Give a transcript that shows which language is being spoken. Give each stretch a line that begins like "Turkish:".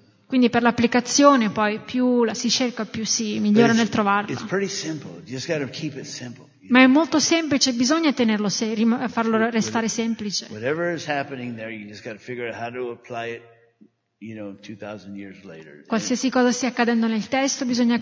Italian: Quindi per l'applicazione poi più la si cerca più si migliora nel trovarla.
English: It's pretty simple. You just got to keep it simple.
Italian: Ma è molto semplice, bisogna tenerlo farlo restare semplice.
English: Whatever is happening there, you just got to figure out how to apply it. You know, 2000 years later.
Italian: Qualsiasi cosa stia accadendo nel testo, bisogna capire come applicarla 2000 anni dopo.